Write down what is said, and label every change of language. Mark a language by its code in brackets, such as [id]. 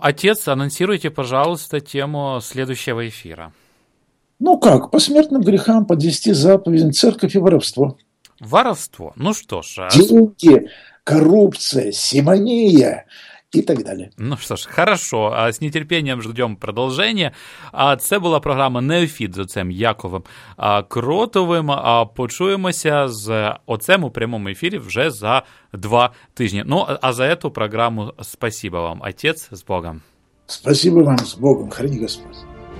[ru] Отец, анонсируйте, пожалуйста, тему следующего эфира. Ну как, по смертным грехам, по 10 заповедям, церковь и воровство. Воровство, ну что ж. Деньги, коррупция, симония и так далее. Ну что ж, хорошо, с нетерпением ждем продолжения. [uk] А це була програма «Неофіт» з отцем Яковом Кротовим. Почуємося з отцем у прямому ефірі вже за 2 тижні. [ru] Ну, а за эту программу спасибо вам, отец, с Богом. Спасибо вам, с Богом, храни Господь.